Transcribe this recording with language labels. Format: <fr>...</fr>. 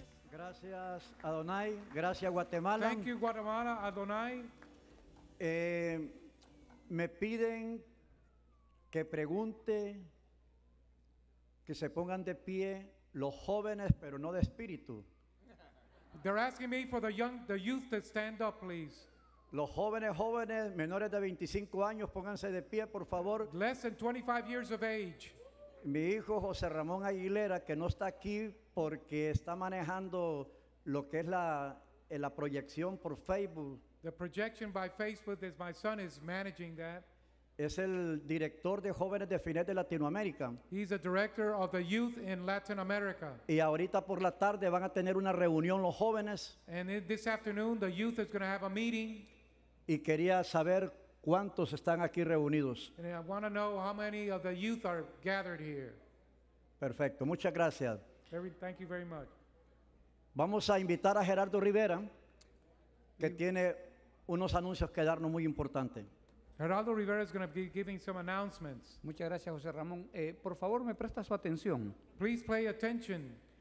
<es>Gracias, Adonai. Gracias, Guatemala.</es> <en>Thank you, Guatemala, Adonai.</en> <es>Me piden que pregunte, que se pongan de pie los jóvenes, pero no de espíritu.</es> <en>They're asking me for the youth to stand up, please.</en> <es>Los jóvenes, menores de 25 años, pónganse de pie, por favor.</es> <en>Less than 25 years of age.</en> <es>Mi hijo José Ramón Aguilera, que no está aquí porque está manejando lo que es la proyección por Facebook.</es> <en>The projection by Facebook is my son is managing that.</en> <es>Es el director de jóvenes de FINEC de Latinoamérica.</es> <en>He's the director of the youth in Latin America.</en> <es>Y ahorita por la tarde van a tener una reunión los jóvenes.</es> <en>And this afternoon the youth is going to have a meeting.</en> <es>Y quería saber cuántos están aquí reunidos.</es> <en>And I want to know how many of the youth are gathered here.</en> <es>Perfecto, muchas gracias.</es> <en>Thank you very much.</en> <es>Vamos a invitar a Gerardo Rivera, que tiene unos anuncios que darnos muy importantes.</es> <en>Geraldo Rivera is going to be giving some announcements.</en> <es>Muchas gracias, José Ramón. Por favor, me presta su atención.</es> <en>Please pay attention.</en>